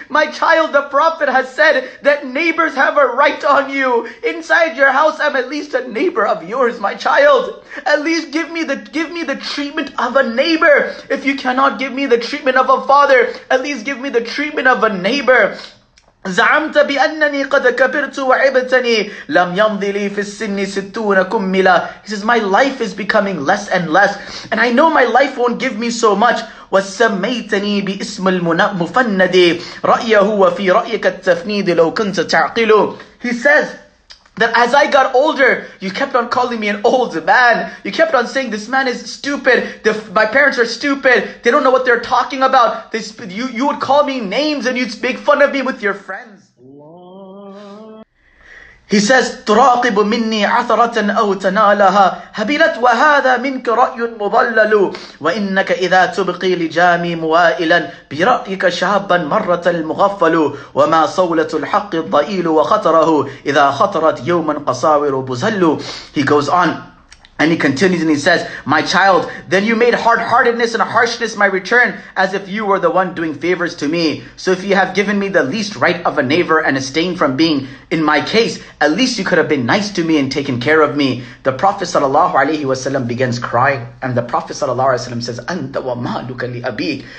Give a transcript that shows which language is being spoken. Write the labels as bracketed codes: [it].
[en] My child, the Prophet has said that neighbors have a right on you. Inside your house, I'm at least a neighbor of yours, my child. At least give me the treatment of a neighbor. If you cannot give me the treatment of a father, at least give me the treatment of a neighbor. [ar] زعمت بأنني قد كبرت وعبتني لم يمضي لي في السن 60 كملا. [en] He says, my life is becoming less and less, and I know my life won't give me so much. [ar] وسميتني باسم المفند رأيه وفي رأيك التفنيد لو كنت تعقل. [en] He says that as I got older, you kept on calling me an old man. You kept on saying, this man is stupid. My parents are stupid. They don't know what they're talking about. You would call me names and you'd make fun of me with your friends. He says, [ar] تراقب مني عثرة أو تنالها هبلت وهذا منك رأي مضلل وإنك إذا تبقي لجامي موائلا برأيك شابا مرة المغفل وما صولة الحق الضئيل وخطره إذا خطرت يوما قصاور بزل. [en] He goes on. And he continues and he says, my child, then you made hard-heartedness and harshness my return as if you were the one doing favors to me. So if you have given me the least right of a neighbor and abstained from being in my case, at least you could have been nice to me and taken care of me. The Prophet sallallahu alayhi wasallam begins crying. And the Prophet sallallahu alayhi wasallam says, [ar] أَنْتَ وَمَا لُكَ لِأَبِيكَ.